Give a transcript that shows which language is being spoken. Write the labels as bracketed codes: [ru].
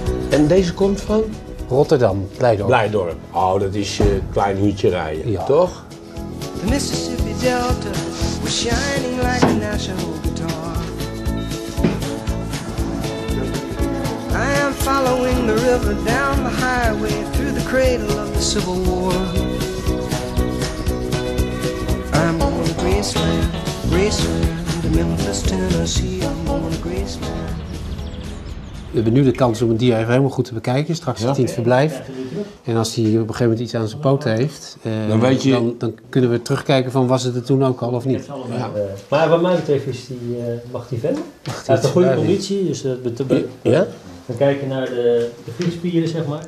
[nl] En deze komt van? Rotterdam, Blijdorp. Blijdorp. Oh, dat is een klein uurtje rijden, toch? [en] The Mississippi Delta was shining like a national guitar. I am following the river down the highway through the cradle of the Civil War. I'm on Graceland, Graceland, to Memphis, Tennessee. I'm on Graceland. [nl] We hebben nu de kans om een dier even helemaal goed te bekijken. Straks zit hij in het verblijf. En als hij op een gegeven moment iets aan zijn poot heeft, dan kunnen we terugkijken van was het er toen ook al of niet. Ja. Maar wat mij betreft is die, mag hij verder. Mag hij heeft een goede conditie. Dus we kijken naar de vliespieren, zeg maar.